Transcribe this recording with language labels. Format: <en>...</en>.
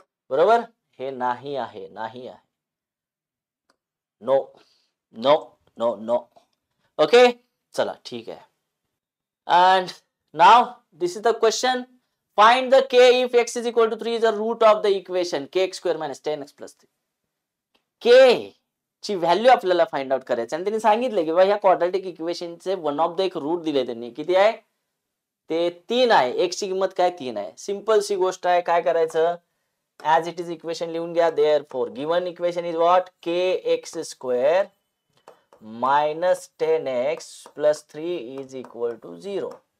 <mr>बरोबर, हे नाही आहे, नाही आहे. No no no no. Okay, चला ठीक आहे.</mr> <en>And now this is the question. Find the K if X is equal to three is the root of the equation K X square minus ten X plus three.</en> <mr>के ची value आपल्याला find out करायचं. आणि त्यांनी सांगितलं की बाबा ह्या quadratic इक्वेशनचे</mr> <en>one of the</en> <mr>एक रूट दिले त्यांनी. किती आहे ते? तीन आहे. एक्सची किंमत काय? तीन आहे. सिम्पल सी गोष्ट आहे. काय करायचं? ऍज इट इज इक्वेशन लिहून घ्या.</mr> <en>Therefore given equation is what? K x square minus ten x plus three is equal to zero.</en>